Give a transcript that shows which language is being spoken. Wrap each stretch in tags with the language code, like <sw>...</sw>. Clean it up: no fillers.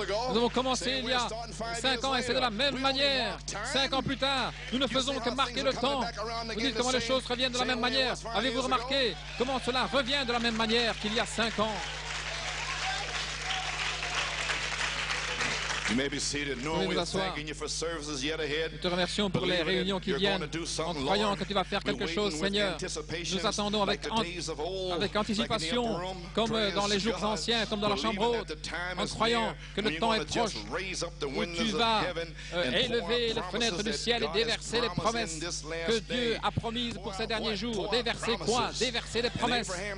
<fr>Nous avons commencé il y a 5 ans et c'est de la même manière. 5 ans plus tard, nous ne faisons que marquer le temps. Vous dites comment les choses reviennent de la même manière. Avez-vous remarqué comment cela revient de la même manière qu'il y a 5 ans?</fr> <en>You may be seated. No, we're thanking you for services yet ahead.</en> <fr>Nous te remercions pour les réunions qui viennent. En croyant que tu vas faire quelque chose, Seigneur. Nous attendons avec anticipation, comme dans les jours anciens, comme dans la chambre haute, en croyant que le temps est proche où tu vas élever les fenêtres du ciel et déverser les promesses que Dieu a promises pour ces derniers jours. Déverser quoi? Déverser les promesses.</fr>